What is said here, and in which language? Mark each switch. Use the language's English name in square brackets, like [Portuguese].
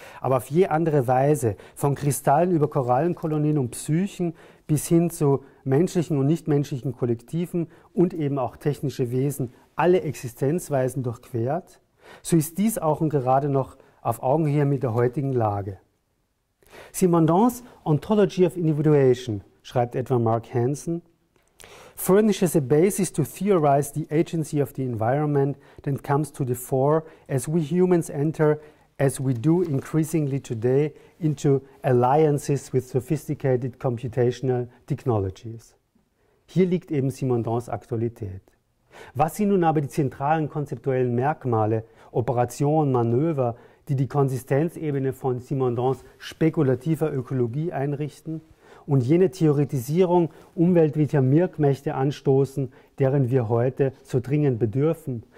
[German] aber auf je andere Weise, von Kristallen über Korallenkolonien und Psychen bis hin zu menschlichen und nichtmenschlichen Kollektiven und eben auch technische Wesen, alle Existenzweisen durchquert, so ist dies auch und gerade noch auf Augenhöhe mit der heutigen Lage. [English] Simondons Ontology of Individuation, [German] schreibt etwa Mark Hansen, [English] furnishes a basis to theorize the agency of the environment that comes to the fore as we humans enter, as we do increasingly today, into alliances with sophisticated computational technologies. [German] Hier liegt eben Simondons Aktualität. Was sind nun aber die zentralen konzeptuellen Merkmale, Operationen, Manöver, die die Konsistenzebene von Simondons spekulativer Ökologie einrichten und jene Theoretisierung umweltwidriger Wirkmächte anstoßen, deren wir heute so dringend bedürfen?